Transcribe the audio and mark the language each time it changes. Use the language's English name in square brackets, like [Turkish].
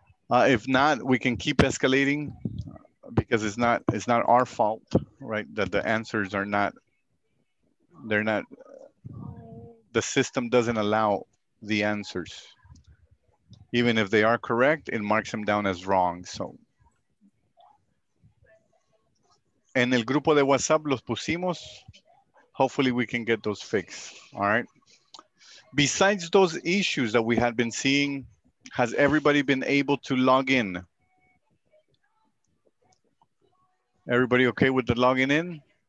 [English] If not, we can keep escalating because it's not our fault, right? That the answers are not, they're not, the system doesn't allow the answers. Even if they are correct, it marks them down as wrong. [Spanish] So, en el grupo de WhatsApp los pusimos. [English] Hopefully we can get those fixed, all right? Besides those issues that we had been seeing, has everybody been able to log in? Everybody okay with the logging in?